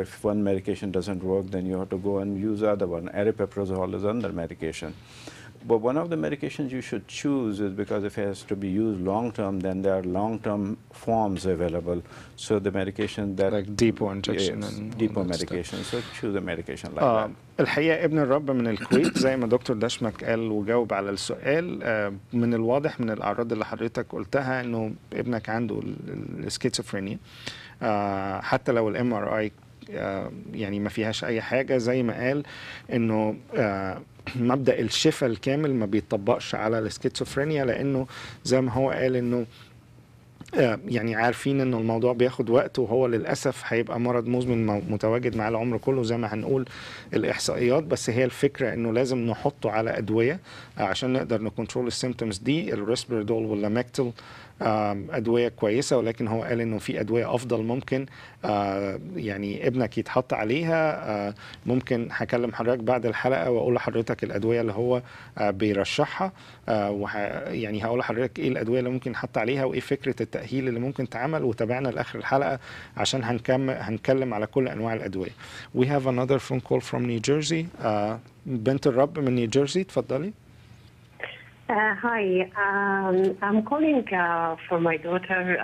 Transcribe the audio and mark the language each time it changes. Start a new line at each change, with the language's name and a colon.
English: If one medication doesn't work, then you have to go and use the other one. Aripiprazole is another medication. But one of the medications you should choose is because if it has to be used long-term, then there are long-term forms available. So the medication that... Like depot injection. And depot medication. Stuff. So choose a medication like that.
Arabic: الحقيقة ابن الرب من الكويت زي ما دكتور دشمك قال وجاوب على السؤال من الواضح من الأعراض اللي حضرتك قلتها انه ابنك عنده السكيزوفرينيا حتى لو الـ MRI يعني ما فيهاش أي حاجة، زي ما قال أنه مبدأ الشفاء الكامل ما بيتطبقش على السكيزوفرينيا، لأنه زي ما هو قال أنه يعني عارفين أنه الموضوع بياخد وقت، وهو للأسف هيبقى مرض مزمن متواجد مع العمر كله زي ما هنقول الإحصائيات. بس هي الفكرة أنه لازم نحطه على أدوية عشان نقدر نكونترول السيمتومز دي، الريسبيردول واللاماكتل أدوية كويسة، ولكن هو قال أنه في أدوية أفضل ممكن يعني ابنك يتحط عليها. ممكن هكلم حضرتك بعد الحلقة وأقول لحضرتك الأدوية اللي هو بيرشحها، يعني هقول لحضرتك إيه الأدوية اللي ممكن يتحط عليها وإيه فكرة التأهيل اللي ممكن تعمل، وتابعنا لآخر الحلقة عشان هنكلم على كل أنواع الأدوية.
English: We have another phone call from New Jersey.
Arabic: بنت الرب من New Jersey، تفضلي.
English: Hi, I'm calling for my daughter.